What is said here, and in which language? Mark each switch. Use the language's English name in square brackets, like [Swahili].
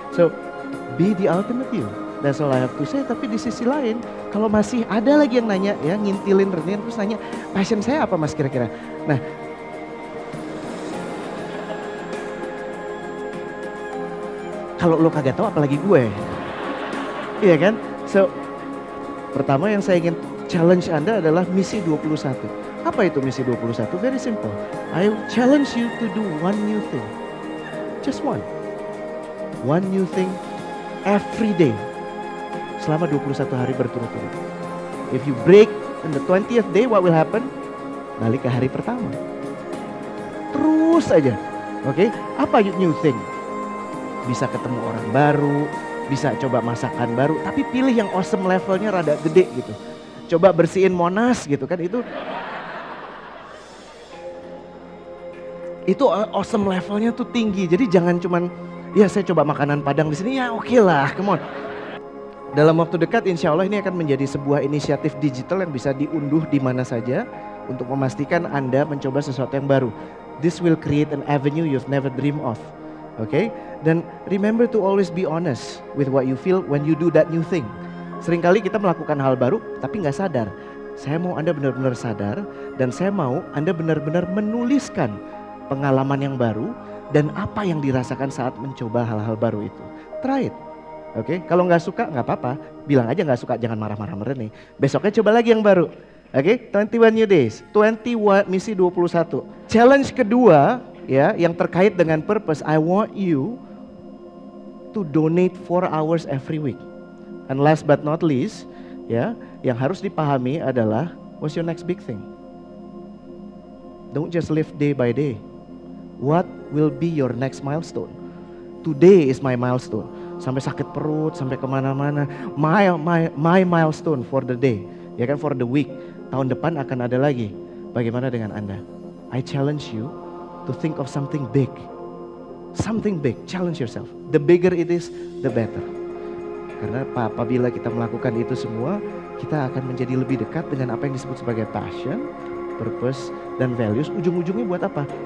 [English] So, be the ultimate you. That's all I have to say. [Indonesian] Tapi di sisi lain, kalau masih ada lagi yang nanya, ya, ngintilin Renin, terus nanya, passion saya apa mas kira-kira? Nah, kalau lo kagak tahu apalagi gue. Iya kan? So, pertama yang saya ingin challenge Anda adalah misi 21. Apa itu misi 21? [English] Very simple. I challenge you to do one new thing. Just one. One new thing every day. Selama 21 hari berturut-turut. If you break in the 20th day, what will happen? [Indonesian] Balik ke hari pertama. Terus aja. Okay? Apa [English] new thing? [Indonesian] Bisa ketemu orang baru, bisa coba masakan baru, tapi pilih yang awesome levelnya rada gede gitu. Coba bersihin Monas gitu kan, itu awesome levelnya tuh tinggi. Jadi jangan cuman ya saya coba makanan Padang di sini, ya okelah, [English] come on. [Indonesian] Dalam waktu dekat insya Allah ini akan menjadi sebuah inisiatif digital yang bisa diunduh di mana saja untuk memastikan Anda mencoba sesuatu yang baru. [English] This will create an avenue you've never dream of. Okay, dan remember to always be honest with what you feel when you do that new thing. [Indonesian] Seringkali kita melakukan hal baru tapi gak sadar. Saya mau Anda benar-benar sadar, dan saya mau Anda benar-benar menuliskan pengalaman yang baru dan apa yang dirasakan saat mencoba hal-hal baru itu. [English] Try it. [Indonesian] Oke, okay? Kalau gak suka gak apa-apa, bilang aja gak suka, jangan marah-marah merenih nih. Besoknya coba lagi yang baru. Oke, okay? [English] 21 new days, [Indonesian] 21 misi 21. Challenge kedua ya, yang terkait dengan purpose, [English] I want you to donate 4 hours every week. And last but not least, ya, [Indonesian] yang harus dipahami adalah [English] what's your next big thing? Don't just live day by day. What will be your next milestone? Today is my milestone. [Indonesian] Sampai sakit perut, sampai kemana-mana. [English] My milestone for the day, [Indonesian] ya kan, [English] for the week. [Indonesian] Tahun depan akan ada lagi. Bagaimana dengan Anda? [English] I challenge you to think of something big. Something big, challenge yourself. The bigger it is, the better. [Indonesian] Karena apabila kita melakukan itu semua, kita akan menjadi lebih dekat dengan apa yang disebut sebagai passion, purpose, dan values. Ujung-ujungnya buat apa?